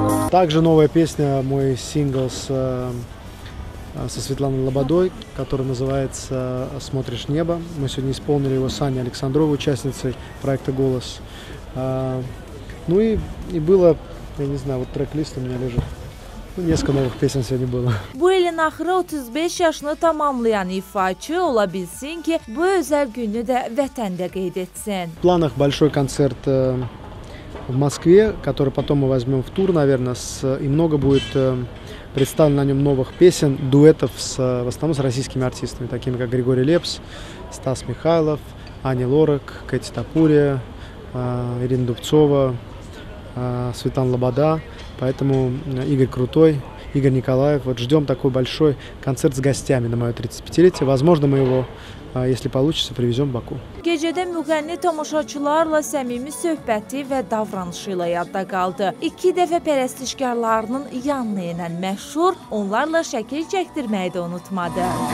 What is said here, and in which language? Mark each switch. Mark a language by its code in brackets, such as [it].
[ru] Также новая песня, мой сингл с со Светланой Лободой, которая называется «Смотришь небо». Мы сегодня исполнили его с Аней Александровой, участницей проекта «Голос». Ну и было, я не знаю, вот трек-лист у меня лежит. Несколько новых песен сегодня было. [az] Bu ilin axırı 35 yaşını tamamlayan ifaçı ola bilsin ki, bu özel günü de vətəndə qeyd etsin. [ru] В планах большой концерт в Москве, который потом мы возьмем в тур, наверное, и много будет представлено на нем новых песен, дуэтов в основном с российскими артистами, такими как Григорий Лепс, Стас Михайлов, Аня Лорак, Кэти Топурия, Ирина Дубцова, Светлана Лобода, поэтому Игорь Крутой, Игорь Николаев. Вот ждем такой большой концерт с гостями на мое 35-летие. Возможно, мы его, если получится, привезем в Баку. [az] Gecədə müğənni tamaşaçılarla səmimi söhbəti və davranışı ilə yadda qaldı. İki dəfə pərəstişkarlarının yanına inən məşhur, onlarla şəkil çəkdirməyi də unutmadı.